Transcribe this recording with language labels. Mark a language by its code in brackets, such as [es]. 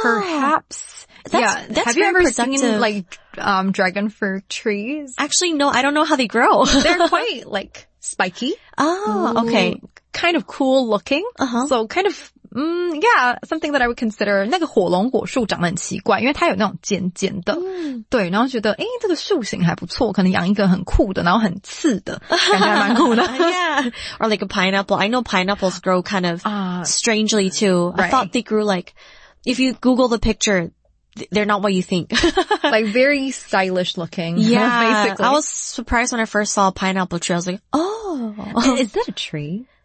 [en] Perhaps. That's have you ever productive. Seen like dragon fruit trees? Actually, no. I don't know how they grow. They're quite like spiky. Oh, okay. Kind of cool looking. Uh-huh. So kind of, something that I would consider. [zh] 那个火龙果树长得很奇怪,因为它有那种尖尖的。对, 然后觉得, 诶, 这个树形还不错, 可能养一个很酷的, 然后很刺的, 感觉还蛮酷的。 [en] Yeah. Or like a pineapple. I know pineapples grow kind of strangely too. Right. I thought they grew like, if you Google the picture, they're not what you think. Like very stylish looking. Yeah. Basically. I was surprised when I first saw a pineapple tree. I was like, oh. Is that a tree?